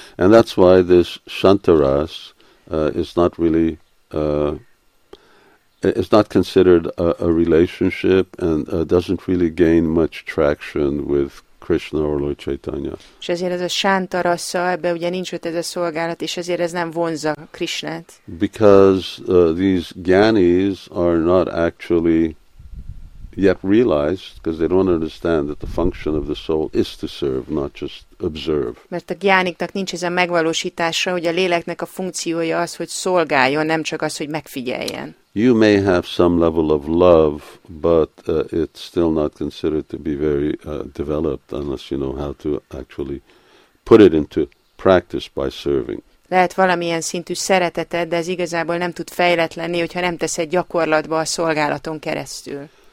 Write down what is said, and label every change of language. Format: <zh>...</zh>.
<en>And that's why this Shantaras is not really it's not considered a relationship and doesn't really gain much traction with Krishna or Lord Chaitanya.</en> <hu>És ezért ez a Shantarasa, ebbe ugye nincs ott ez a szolgálat, és ezért ez nem vonza Krishnát.</hu> <en>Because these gyanis are not actually yet realized, because they don't understand that the function of the soul is to serve, not just observe.</en> <hu>Mert a gyániknak nincs ez a megvalósítása, hogy a léleknek a funkciója az, hogy szolgáljon, nem csak az, hogy megfigyeljen.</hu> <en>You may have some level of love, but it's still not considered to be very developed unless you know how to actually put it into practice by serving.</en> <hu>Lehet valamilyen szintű szereteted, de ez igazából nem tud fejlett lenni, hogyha nem teszed gyakorlatba a szolgálaton keresztül.</hu>